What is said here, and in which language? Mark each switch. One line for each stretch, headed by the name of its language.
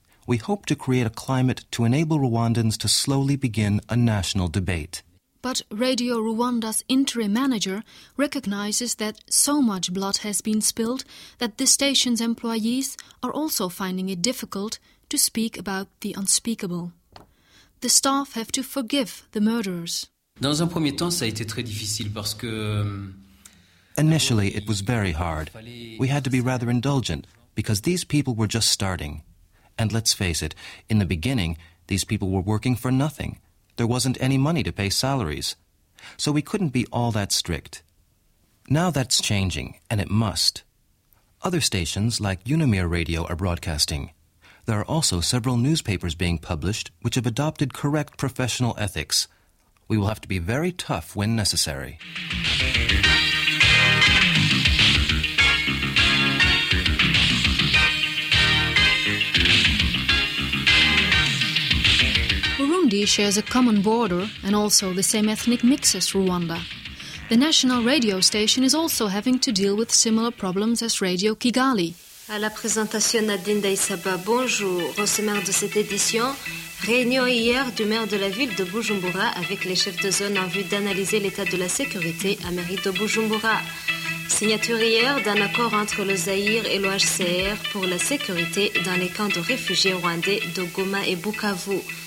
English: We hope to create a climate to enable Rwandans to slowly begin a national debate. But Radio Rwanda's interim manager recognizes that so much blood has been spilled that the station's employees are also finding it difficult to speak about the unspeakable. The staff have to forgive the murderers.
French: Dans un premier temps, ça a été très difficile parce que...
English: Initially, it was very hard. We had to be rather indulgent because these people were just starting. And let's face it, in the beginning, these people were working for nothing. There wasn't any money to pay salaries. So we couldn't be all that strict. Now that's changing, and it must. Other stations, like Unamir Radio, are broadcasting. There are also several newspapers being published which have adopted correct professional ethics. We will have to be very tough when necessary. Burundi shares a common border and also the same ethnic mix as Rwanda. The national radio station is also having to deal with similar problems as Radio Kigali.
French: À la présentation Nadine Daïsaba, bonjour. Au sommaire de cette édition, réunion hier du maire de la ville de Bujumbura avec les chefs de zone en vue d'analyser l'état de la sécurité à mairie de Bujumbura. Signature hier d'un accord entre le Zaïre et l'OHCR pour la sécurité dans les camps de réfugiés rwandais de Goma et Bukavu.